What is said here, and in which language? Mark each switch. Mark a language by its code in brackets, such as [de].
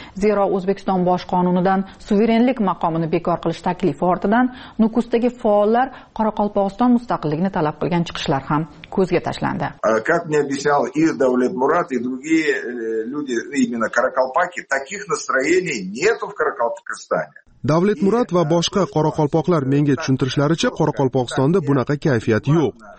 [uz] Zero O'zbekiston bosh qonunidan suverenlik maqomini bekor qilish taklifi ortidan Nukusdagi faollar Qoraqalpog'iston mustaqilligini talab qilgan chiqishlar ham ko'zga tashlandi. [ru] Как мне объяснял и Давлет Мурат, и другие люди именно Qoraqalpaki, таких настроений нету в Qoraqalpog'istonda. [uz] Davlet Murat va boshqa qoraqalpoqlar menga tushuntirishlaricha Qoraqalpog'istonda bunaqa kayfiyat yo'q.